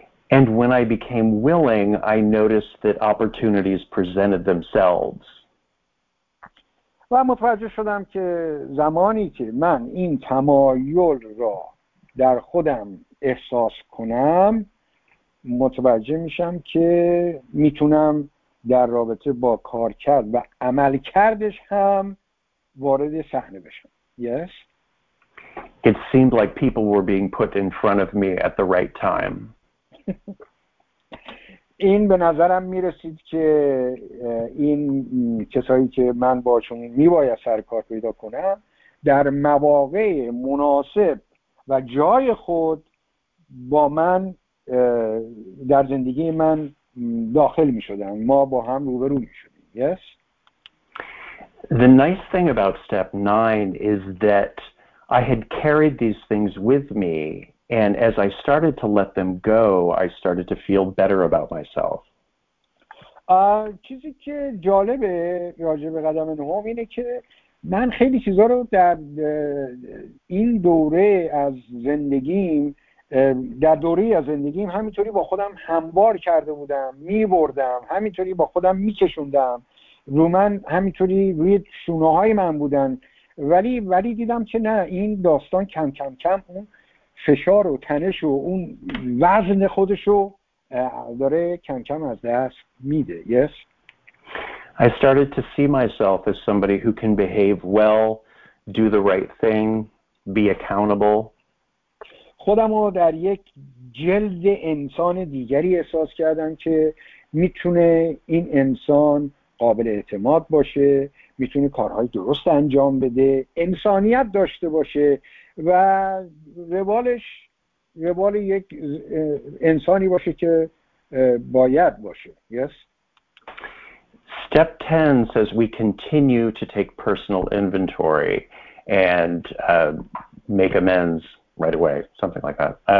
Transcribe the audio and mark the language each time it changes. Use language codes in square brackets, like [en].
[en] And when I became willing, I noticed that opportunities presented themselves. [fa] و متوجه شدم که زمانی که من این تمایل را در خودم احساس کنم، متوجه میشم که میتونم در رابطه با کار کرد و عمل کردش هم وارد صحنه بشم. [en] Yes. It seemed like people were being put in front of me at the right time. Thank you. [fa] این به نظرم میرسید که این کسایی که من باشون میباید سرکار پیدا کنم در مواقع مناسب و جای خود با من در زندگی من داخل میشدن، ما با هم روبرو میشدیم. [en] Yes. The nice thing about step 9 is that I had carried these things with me. And as I started to let them go, I started to feel better about myself. [fa] چیزی که جالبه راجع به قدم نهم اینه که من خیلی چیزا رو در این دوره از زندگیم در دوره از زندگیم همینطوری با خودم هموار کرده بودم، میبردم، همینطوری با خودم میکشوندم، رو من همینطوری روی شونه های من بودن، ولی دیدم که نه، این داستان کم کم کم اون فشار و تنش و اون وزن خودشو داره کم کم از دست میده. [en] Yes. I started to see myself as somebody who can behave well, do the right thing, be accountable. [fa] خودمو در یک جلد انسان دیگری احساس کردم که میتونه این انسان قابل اعتماد باشه، میتونه کارهای درست انجام بده، انسانیت داشته باشه و روال یک انسانی باشه که باید باشه. [en] Yes. Step 10 says we continue to take personal inventory and make amends right away, something like that.